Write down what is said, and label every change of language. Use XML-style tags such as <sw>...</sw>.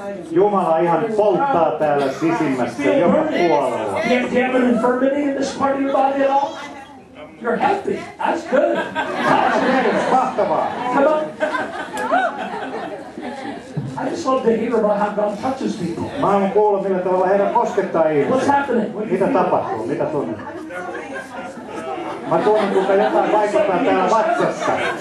<fi>Jumala ihan polttaa täällä sisimmässä, joka puolella.</fi> <en>Do you have an infirmity in this part of your body at all? You're healthy. That's good.</en> <fi>Mahtavaa.</fi> <en>Come on. I just love to hear about how God touches people.</en> <fi>Mä haluan kuulla, millä tavalla Herra koskettaa ihmisiä.</fi> <en>What's happening?</en> <fi>Mitä tapahtuu? Mitä tunnet? Mä tunnen, kuinka jotain vaikuttaa täällä vatsassa.</fi>